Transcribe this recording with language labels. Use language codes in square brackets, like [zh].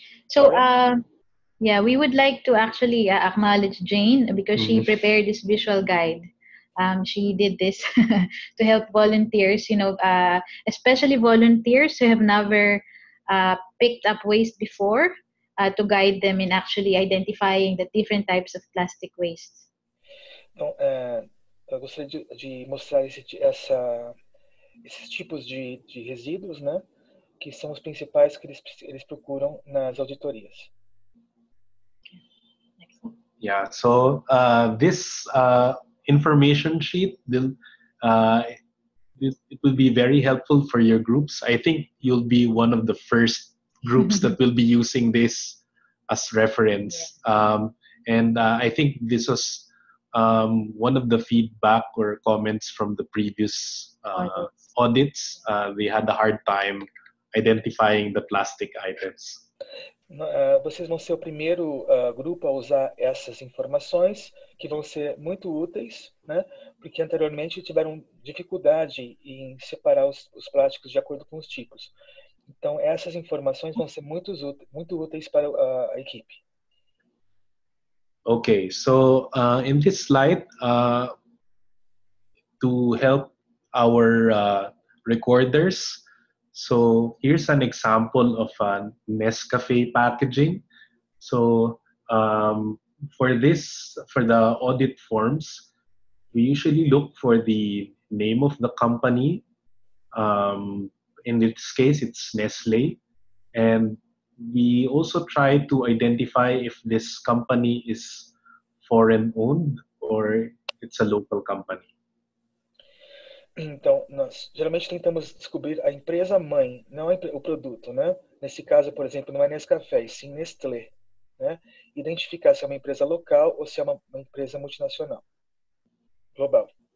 [en] So, yeah, we would like to actually acknowledge Jane because she prepared this visual guide. She did this to help volunteers, you know, especially volunteers who have never picked up waste before, to guide them in actually identifying the different types of plastic waste. [pt] Então, eu gostaria de mostrar esses tipos de resíduos, né, que são os principais que eles procuram nas auditorias. [en] Yeah, so this information sheet it will be very helpful for your groups. I think you'll be one of the first groups that will be using this as reference. I think this was one of the feedback or comments from the previous audits. They had a hard time identifying the plastic items. [pt] Vocês vão ser o primeiro grupo a usar essas informações, que vão ser muito úteis, né? Porque anteriormente tiveram dificuldade em separar os plásticos de acordo com os tipos. Então, essas informações vão ser muito úteis para a equipe. [en] Ok, so in this slide, to help our recorders, so here's an example of a Nescafe packaging. So for the audit forms, we usually look for the name of the company. In this case, it's Nestle. And we also try to identify if this company is foreign owned or it's a local company. [pt] Então, nós geralmente tentamos descobrir a empresa mãe, não o produto, né? Nesse caso, por exemplo, não é Nescafé, e sim Nestlé, né? Identificar se é uma empresa local ou se é uma empresa multinacional, global.